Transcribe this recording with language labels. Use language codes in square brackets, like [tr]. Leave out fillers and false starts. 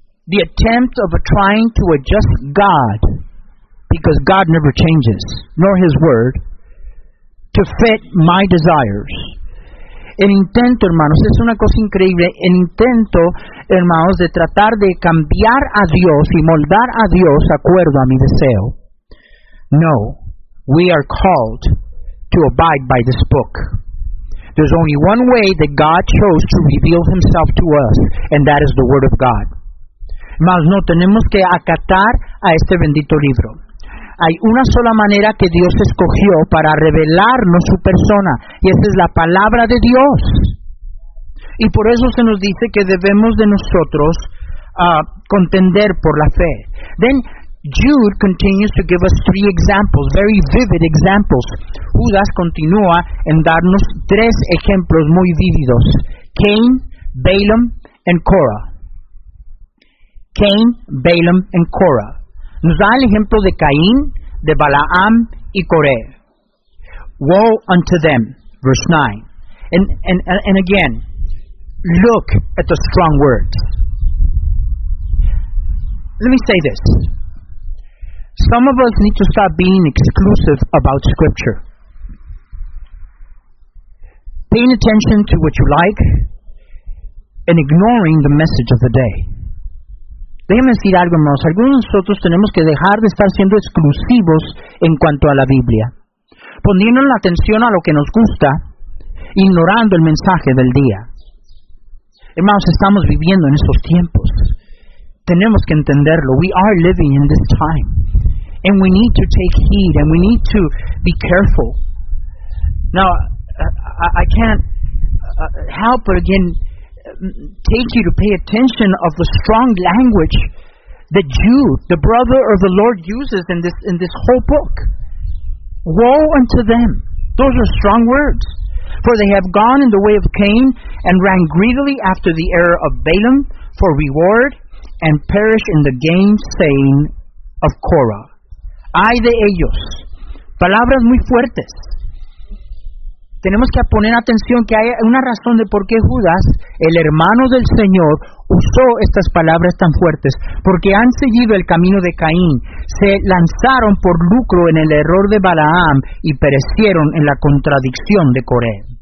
[en] The attempt of trying to adjust God, because God never changes, nor His Word, to fit my desires. [es] El intento, hermanos, es una cosa increíble. El intento, hermanos, de tratar de cambiar a Dios y moldar a Dios de acuerdo a mi deseo. [en] No, we are called to abide by this book. There's only one way that God chose to reveal Himself to us, and that is the Word of God. [es] Hermanos, no tenemos que acatar a este bendito libro. Hay una sola manera que Dios escogió para revelarnos su persona, y esa es la palabra de Dios. Y por eso se nos dice que debemos de nosotros contender por la fe. [en] Then Jude continues to give us 3 examples, very vivid examples. [es] Judas continúa en darnos 3 ejemplos muy vívidos: Cain, Balaam, and Korah. Cain, Balaam, and Korah. Nos da el ejemplo de Caín, de Balaam y Coré. [en] Woe unto them, verse 9. And again, look at the strong words. Let me say this. Some of us need to stop being exclusive about Scripture. Paying attention to what you like and ignoring the message of the day. [es] Déjenme decir algo, hermanos. Algunos de nosotros tenemos que dejar de estar siendo exclusivos en cuanto a la Biblia, poniendo la atención a lo que nos gusta, ignorando el mensaje del día. Hermanos, estamos viviendo en estos tiempos. Tenemos que entenderlo. [en] We are living in this time. And we need to take heed, and we need to be careful. Now, I can't help but again take you to pay attention of the strong language that Jude, the brother of the Lord, uses in this whole book. Woe unto them. Those are strong words. For they have gone in the way of Cain, and ran greedily after the error of Balaam for reward, and perish in the gainsaying of Korah. [es] ¡Ay de ellos! Palabras muy fuertes. Tenemos que poner atención que hay una razón de por qué Judas, el hermano del Señor, usó estas palabras tan fuertes. Porque han seguido el camino de Caín. Se lanzaron por lucro en el error de Balaam y perecieron en la contradicción de Coré.